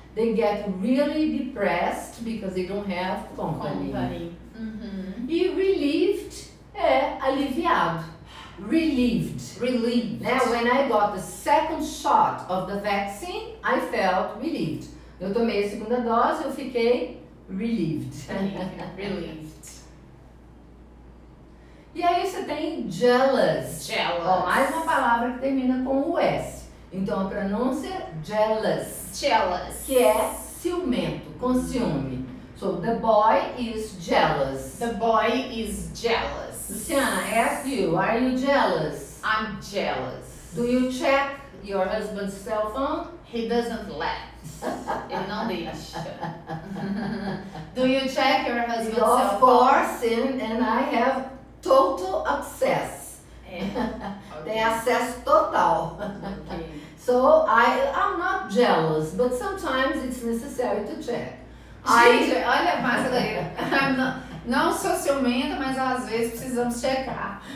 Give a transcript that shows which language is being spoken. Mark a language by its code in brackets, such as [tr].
[en] They get really depressed because they don't have company. Company. [pt] Mm-hmm. E relieved é aliviado. Relieved. [en] Relieved. Now, when I got the second shot of the vaccine, I felt relieved. [pt] Eu tomei a segunda dose, eu fiquei relieved. [en] Relieved. [pt] E aí você tem jealous. [en] Jealous. [pt] Oh, mais uma palavra que termina com o S. Então a pronúncia é jealous. [en] Jealous. [pt] Que é ciumento, com ciúme. [en] So the boy is jealous. The boy is jealous. Luciana, I ask you, are you jealous? I'm jealous. Do you check your husband's cell phone? He doesn't let. [pt] Ele não deixa. [en] Do you check your husband's cell phone? Of course, and I have total access. Okay. [pt] Tem acesso total. [en] Okay. So I'm not jealous, but sometimes it's necessary to check. [pt] Gente, olha a massa daí. Não sou ciumenta, mas às vezes precisamos checar.